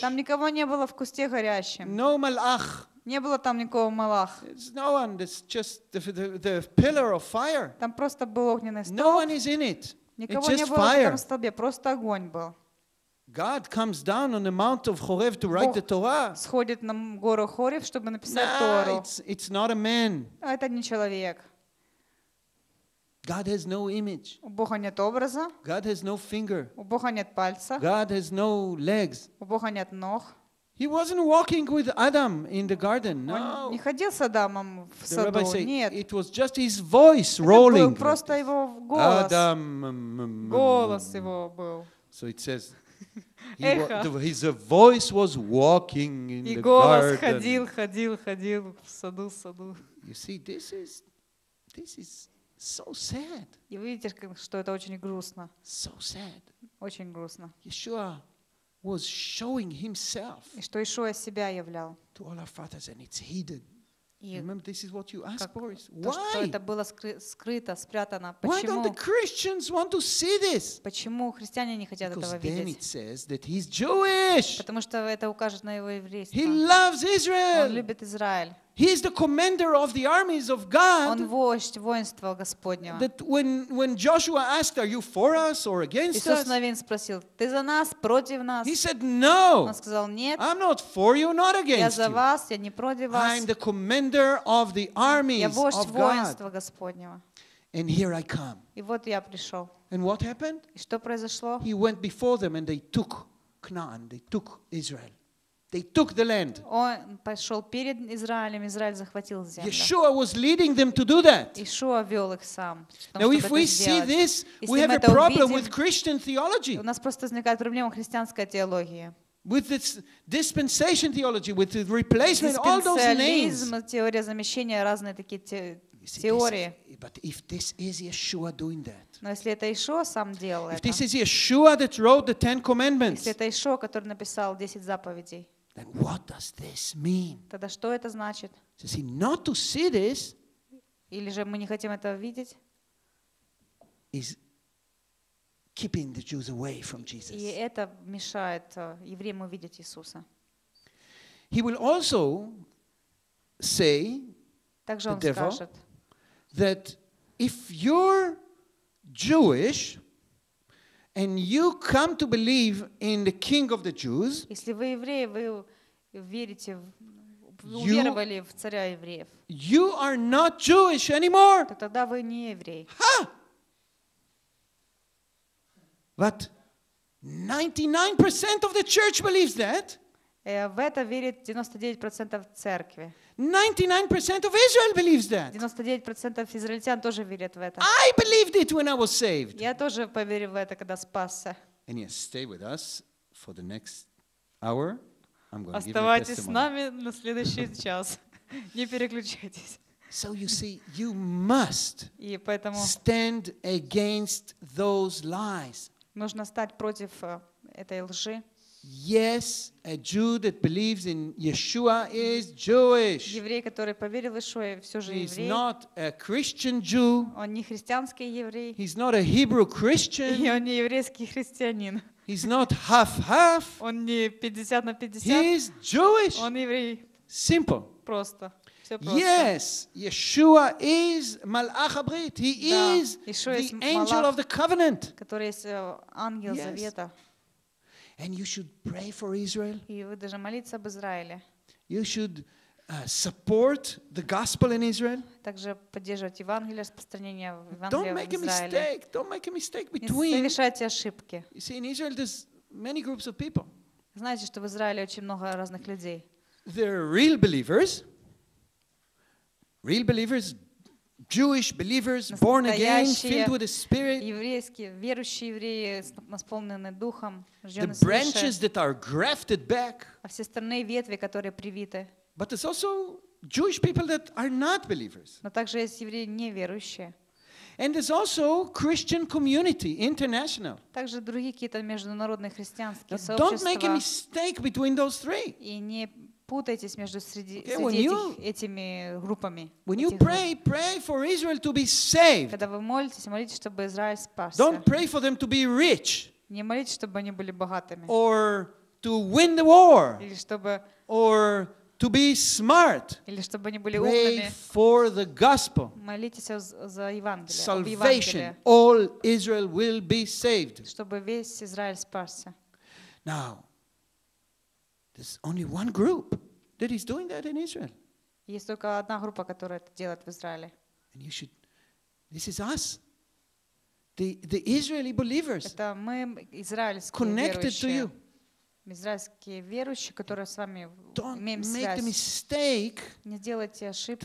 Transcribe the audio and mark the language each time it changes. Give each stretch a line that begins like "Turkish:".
Russian: Там никого не было в кусте горящем.
English: No malach.
Russian: Не было там никого малах.
English: It's no one. It's just the pillar of fire.
Russian: Там просто был огненный столб.
English: No one is in it.
Russian: Никого не было в этом столбе. Просто огонь был.
English: God comes down on the mount of Horeb to write the Torah.
Russian: Сходит на гору Хорев, чтобы написать Тору.
English: It's not a man.
Russian: Это не человек.
English: God has no image.
Russian: У Бога нет образа.
English: God has no finger.
Russian: У Бога нет пальца.
English: God has no legs.
Russian: У Бога нет ног.
English: He wasn't walking with Adam in the garden. No.
Russian: Он не ходил с Адамом в
English: the
Russian: саду.
English: Rabbi said,
Russian: нет.
English: It was just his voice rolling.
Russian: Это был просто его голос.
English: Adam.
Russian: Голос его был.
English: So it says. His voice was walking in the garden.
Russian: Ходил в саду,
English: You see, this is so sad.
Russian: И видите, что это очень грустно.
English: So sad.
Russian: Очень грустно.
English: Yeshua was showing himself.
Russian: И что Иешуа себя являл.
English: To all our fathers, and it's hidden. Remember, this is what you ask, Boris.
Russian: То, что это было скрыто, спрятано. Почему?
English: Why don't the Christians want to see this?
Russian: Почему христиане не хотят этого видеть?
English: Because then it says that he's Jewish.
Russian: Потому что это укажет на его еврейство.
English: He loves Israel.
Russian: Он любит Израиль.
English: He is the commander of the armies of God.
Russian: Он вождь воинства Господнего.
English: That when Joshua asked, "Are you for us or against us?"
Russian: Иисус Навин спросил: "Ты за нас, против нас?"
English: He said, "No."
Russian: Он сказал: "Нет."
English: I'm not for you, not against you.
Russian: Я за вас, я не против вас.
English: I'm the commander of the armies of God.
Russian: Я вождь воинства Господнего.
English: And here I come.
Russian: И вот я пришел.
English: And what happened?
Russian: И что произошло?
English: He went before them, and they took Canaan. They took Israel. They took the land.
Russian: Он пошел перед Израилем, Израиль захватил землю.
English: Yeshua was leading them to do that.
Russian: Иешуа вел их сам.
English: Now, if we see this, we have a problem with Christian theology.
Russian: У нас просто возникает проблема христианской теологии.
English: With this dispensation theology, with the replacement, all those names.
Russian: Диспенсиализм, теория замещения, разные такие теории.
English: But if this is Yeshua doing that.
Russian: Но если это Иешуа сам делал это.
English: If this is Yeshua that wrote the Ten Commandments.
Russian: Если это Иешуа, который написал 10 заповедей.
English: Then what does this mean?
Russian: Тогда что это значит?
English: So see, not to see this.
Russian: Или же мы не хотим этого видеть.
English: Is keeping the Jews away from Jesus.
Russian: И это мешает евреям увидеть Иисуса.
English: He will also say.
Russian: Также он скажет.
English: That if you're Jewish and you come to believe in the King of the Jews,
Russian: если вы евреи, вы верите, уверовали в царя евреев,
English: you are not Jewish anymore.
Russian: То тогда вы не еврей. Ha!
English: But 99% of the church believes that.
Russian: В это верит 99% церкви.
English: 99% of Israel believes that.
Russian: 99% израильтян тоже верят в это.
English: I believed it when I was saved.
Russian: Я тоже поверил в это, когда спасся.
English: And yes, stay with us for the next hour. I'm going to give you a testimony.
Russian: Оставайтесь с нами на следующий час. Не переключайтесь.
English: So you see, you must stand against those lies.
Russian: Нужно стать против этой лжи.
English: Yes, a Jew that believes in Yeshua is Jewish.
Russian: Еврей, который поверил в Иешуа, все же еврей.
English: He's not a Christian Jew.
Russian: Он не христианский еврей.
English: He's not a Hebrew Christian.
Russian: И он не еврейский христианин.
English: He's not half-half.
Russian: Он не 50 на 50.
English: He is Jewish.
Russian: Он еврей.
English: Simple.
Russian: Просто.
English: Yes, Yeshua is Malach Abrit. He is the angel of the covenant.
Russian: Который есть ангел завета.
English: And you should pray for Israel.
Russian: И вы должны молиться об Израиле.
English: You should support the gospel in Israel.
Russian: Также поддерживать Евангелие, распространение Евангелия в
English: Израиле. Don't make a mistake. Don't make a mistake between.
Russian: Не совершайте ошибки.
English: You see, in Israel there's many groups of people.
Russian: Знаете, что в Израиле очень много разных людей.
English: They're real believers. Real believers, Jewish believers, born again, filled with the Spirit.
Russian: Еврейские, верующие евреи, наполнены духом,
English: the branches that are grafted back.
Russian: А все остальные ветви, которые привиты.
English: But there's also Jewish people that are not believers.
Russian: Но также есть евреи неверующие.
English: And there's also Christian community, international.
Russian: Также другие какие-то международные христианские сообщества.
English: Don't make a mistake between those three.
Russian: И не путайтесь между среди этими группами.
English: When you pray, pray for Israel to be saved.
Russian: Когда вы молитесь, молитесь, чтобы Израиль спасся.
English: Don't pray for them to be rich.
Russian: Не молитесь, чтобы они были богатыми.
English: Or to win the war.
Russian: Или чтобы.
English: Or to be smart.
Russian: Или чтобы они были умными.
English: Pray for the gospel.
Russian: Молитесь за Евангелие.
English: Salvation. All Israel will be saved.
Russian: Чтобы весь Израиль спасся.
English: Now, there's only one group that is doing that in Israel.
Russian: Есть только одна группа, которая это делает в Израиле.
English: And you should. This is us. The Israeli believers.
Russian: Это мы израильские.
English: Connected to you.
Russian: Израильские верующие, которые с вами имеем связь, не сделайте ошибки.